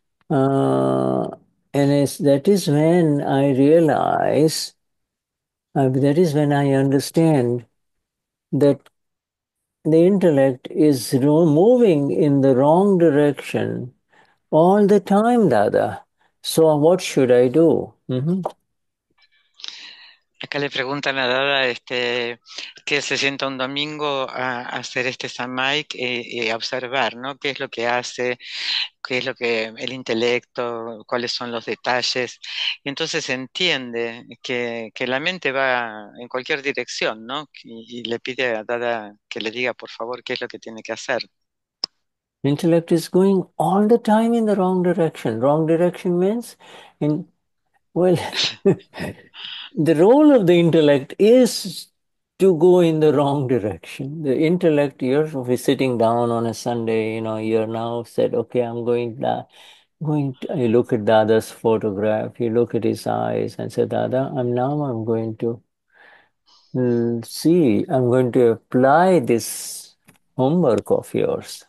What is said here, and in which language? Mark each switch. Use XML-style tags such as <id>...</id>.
<en>That is when I understand that the intellect is moving in the wrong direction all the time, Dada. So what should I do?</en> <es>Acá le preguntan a Dada que se sienta un domingo a hacer este samay y observar, ¿no? ¿Qué es lo que hace? ¿Qué es lo que el intelecto? ¿Cuáles son los detalles? Y entonces entiende que la mente va en cualquier dirección, ¿no? Y le pide a Dada que le diga, por favor, qué es lo que tiene que hacer.</es> <en>Intellect is going all the time in the wrong direction. Wrong direction means, the role of the intellect is to go in the wrong direction. The intellect, you're sitting down on a Sunday, you know, you're now said, okay, I'm going to, you look at Dada's photograph, you look at his eyes and say, Dada, I'm going to apply this homework of yours.</en>